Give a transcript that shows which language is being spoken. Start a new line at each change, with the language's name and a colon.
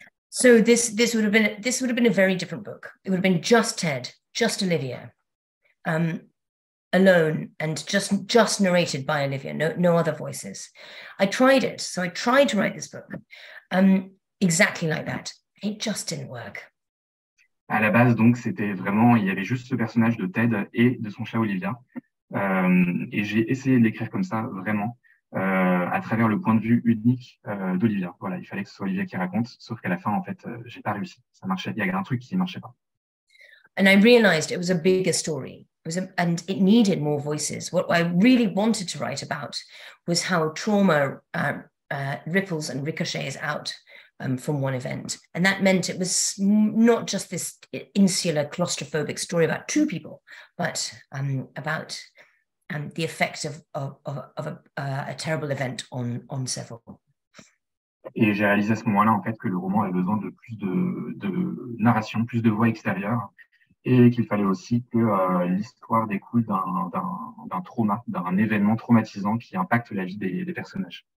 English: So this would have been a very different book. It would have been just Ted, just Olivia, alone, and just narrated by Olivia. No other voices. I tried it. So I tried to write this book exactly like that. It just didn't work.
French: À la base, donc, c'était vraiment, il y avait juste ce personnage de Ted et de son chat Olivia, et j'ai essayé de l'écrire comme ça vraiment. À travers le point de vue unique d'Olivia. Voilà, il fallait que ce soit Olivia qui raconte, sauf qu'à la fin, en fait, j'ai pas réussi. Ça marchait. Il y a un truc qui marchait pas.
English: And I realized it was a bigger story. And it needed more voices. What I really wanted to write about was how trauma ripples and ricochets out from one event. And that meant it was not just this insular, claustrophobic story about two people, but about and the effect of a terrible event on several.
French: Et j'ai réalisé à ce moment-là en fait que le roman avait besoin de plus de narration, plus de voix extérieure, et qu'il fallait aussi que l'histoire découle d'un trauma, d'un événement traumatisant qui impacte la vie des personnages.